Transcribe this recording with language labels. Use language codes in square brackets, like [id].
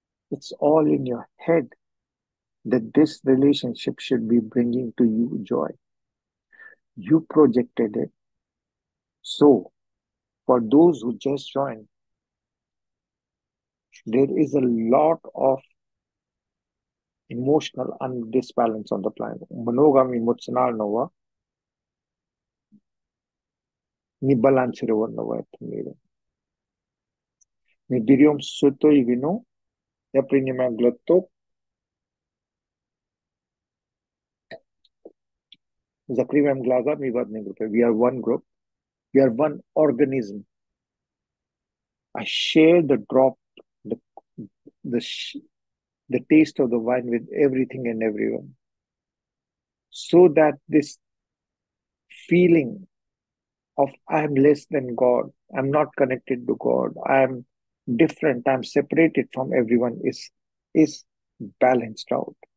[en] It's all in your head that this relationship should be bringing to you joy. You projected it. So, for those who just joined, there is a lot of emotional imbalance on the planet. [ru] Много эмоционального небалансированного в этом мире. Мы берем святое вино, я принимаю глоток, закрываем глаза, мы в одной группе. [en] We are one group. We are one organism. I share the drop, the taste of the wine with everything and everyone. So that this feeling of I am less than God, I am not connected to God, I am different, I am separated from everyone is balanced out.